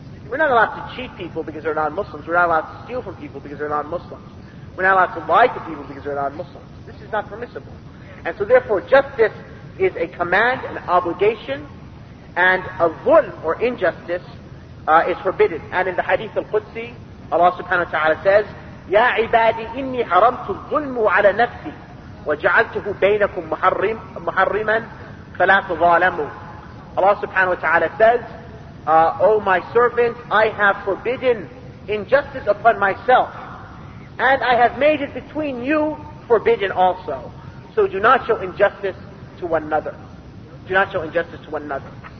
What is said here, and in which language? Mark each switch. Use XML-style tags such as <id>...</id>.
<en>We're not allowed to cheat people because they're non-Muslims. We're not allowed to steal from people because they're non-Muslims. We're not allowed to lie to people because they're non-Muslims. This is not permissible. And so therefore, justice is a command, an obligation, and a dhulm or injustice is forbidden. And in the Hadith al-Qudsi, Allah subhanahu wa ta'ala says,</en> <ar>يَا عِبَادِي إِنِّي حَرَمْتُ الظُّلْمُ عَلَى نَفْسِي وَجَعَلْتُهُ بَيْنَكُمْ مُحَرِّمًا فَلَا تُظَالَمُوا.</ar> <en>Allah subhanahu wa ta'ala says, O my servant, I have forbidden injustice upon myself, and I have made it between you forbidden also. So do not show injustice to one another. Do not show injustice to one another.</en>